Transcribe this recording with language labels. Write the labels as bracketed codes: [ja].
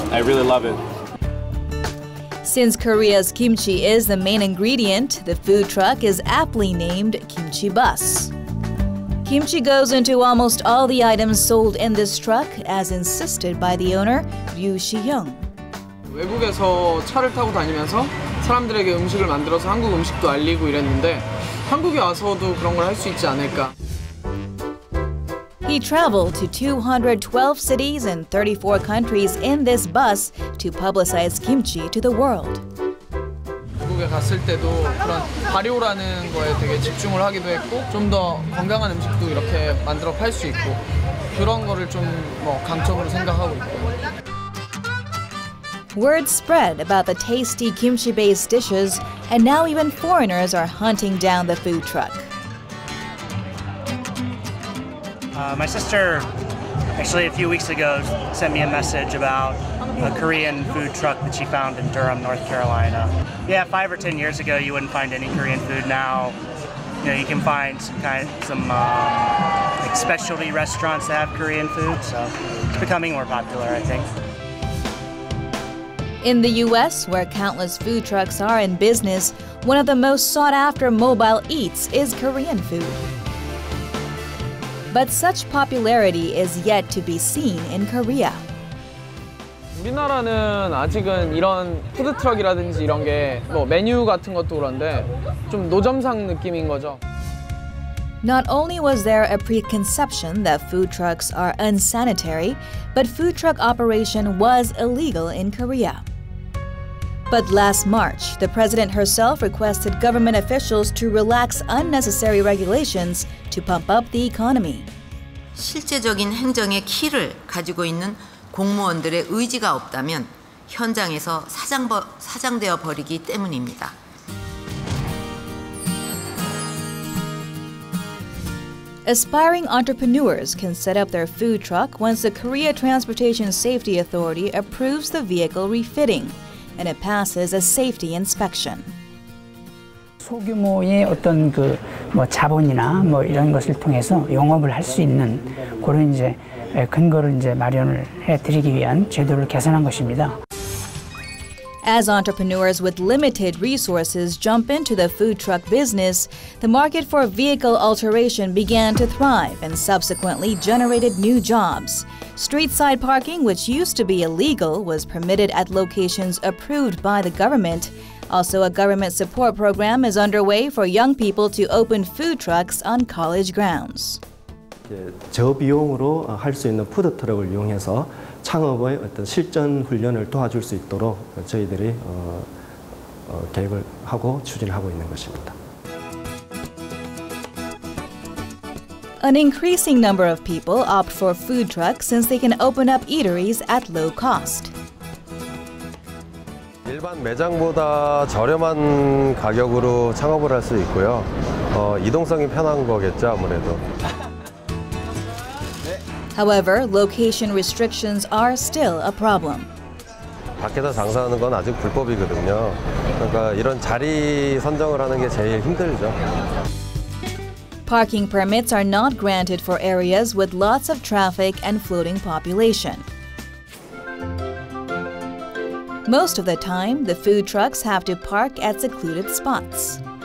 [en] I really love it. Since Korea's kimchi is the main ingredient, the food truck is aptly named Kimchi Bus. Kimchi goes into almost all the items sold in this truck, as insisted by the owner, Ryu Si-young. [ko] 외국에서 차를 타고 다니면서 사람들에게 음식을 만들어서 한국 음식도 알리고 이랬는데 한국에 와서도 그런 걸 할 수 있지 않을까. [en] He traveled to 212 cities and 34 countries in this bus to publicize kimchi to the world. [ko] 한국에 갔을 때도 그런 발효라는 거에 되게 집중을 하기도 했고 좀 더 건강한 음식도 이렇게 만들어 팔 수 있고 그런 거를 좀 뭐 강점으로 생각하고 있고. [en] Word spread about the tasty kimchi-based dishes, and now even foreigners are hunting down the food truck. My sister, actually a few weeks ago, sent me a message about a Korean food truck that she found in Durham, North Carolina. Yeah, 5 or 10 years ago, you wouldn't find any Korean food. Now, you know, you can find some specialty restaurants that have Korean food. So it's becoming more popular, I think. In the U.S., where countless food trucks are in business, one of the most sought-after mobile eats is Korean food. But such popularity is yet to be seen in Korea. [ko] 우리나라는 아직은 이런 푸드트럭이라든지 이런 게 뭐 메뉴 같은 것도 그런데 좀 노점상 느낌인 거죠. [en] Not only was there a preconception that food trucks are unsanitary, but food truck operation was illegal in Korea. But last March, the president herself requested government officials to relax unnecessary regulations to pump up the economy. [ko] 실제적인 행정의 키를 가지고 있는 공무원들의 의지가 없다면 현장에서 사장되어 버리기 때문입니다. [en] Aspiring entrepreneurs can set up their food truck once the Korea Transportation Safety Authority approves the vehicle refitting. And it passes a safety inspection. [ko] 소규모의 어떤 그 뭐 자본이나 뭐 이런 것을 통해서 영업을 할 수 있는 그런 이제 근거를 이제 마련을 해 드리기 위한 제도를 개선한 것입니다. [en] As entrepreneurs with limited resources jump into the food truck business, the market for vehicle alteration began to thrive and subsequently generated new jobs. Street-side parking, which used to be illegal, was permitted at locations approved by the government. Also, a government support program is underway for young people to open food trucks on college grounds. [ko] 저비용으로 할 수 있는 푸드트럭을 이용해서 창업의 어떤 실전 훈련을 도와줄 수 있도록 저희들이 계획을 하고 추진하고 있는 것입니다. [en] An increasing number of people opt for food trucks since they can open up eateries at low cost. [ko] 일반 매장보다 저렴한 가격으로 창업을 할 수 있고요. 이동성이 편한 거겠죠, 아무래도. [en] However, location restrictions are still a problem. [ko] 밖에서 장사하는 건 아직 불법이거든요. 그러니까 이런 자리 선정을 하는 게 제일 힘들죠. [en] Parking permits are not granted for areas with lots of traffic and floating population. Most of the time, the food trucks have to park at secluded spots.